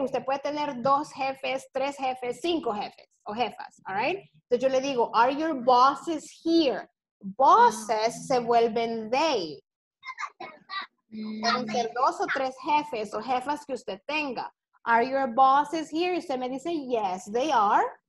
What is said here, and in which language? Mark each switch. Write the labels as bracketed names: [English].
[Spanish] Usted puede tener dos jefes, tres jefes, cinco jefes o jefas. [English] All right. [Spanish] Entonces yo le digo, [English] are your bosses here? [Spanish] Bosses uh-huh. se vuelven they. Pueden ser dos o tres jefes o jefas que usted tenga. [English] Are your bosses here? [Spanish] Y usted me dice, [English] yes, they are.